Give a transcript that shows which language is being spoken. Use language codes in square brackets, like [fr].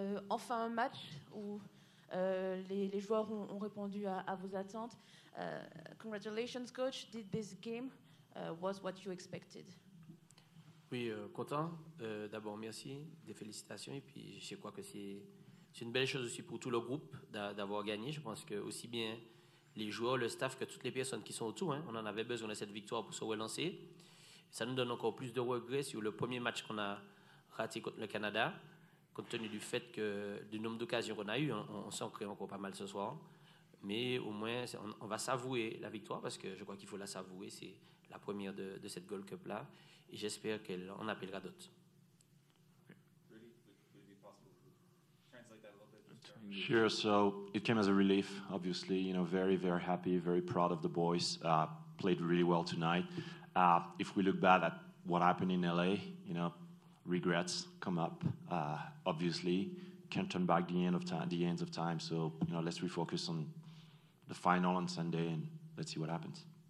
[fr] Enfin un match où les joueurs ont répondu à vos attentes. [en] Congratulations, coach. Did this game was what you expected? [fr] Oui, content. D'abord, merci. Des félicitations. Et puis, je crois que c'est une belle chose aussi pour tout le groupe d'avoir gagné. Je pense que aussi bien les joueurs, le staff que toutes les personnes qui sont autour, hein, on en avait besoin de cette victoire pour se relancer. Ça nous donne encore plus de regrets sur le premier match qu'on a raté contre le Canada, compte tenu du fait que du nombre d'occasions qu'on a eues, on s'en crée encore pas mal ce soir. Mais au moins, on va savourer la victoire, parce que je crois qu'il faut la savourer. C'est la première de cette Gold Cup-là. Et j'espère qu'elle en appellera d'autres. [en] Sure, so it came as a relief, obviously. You know, very, very happy, very proud of the boys. Played really well tonight. If we look back at what happened in LA, you know, regrets come up. Obviously, can't turn back the ends of time. So, you know, let's refocus on the final on Sunday and let's see what happens.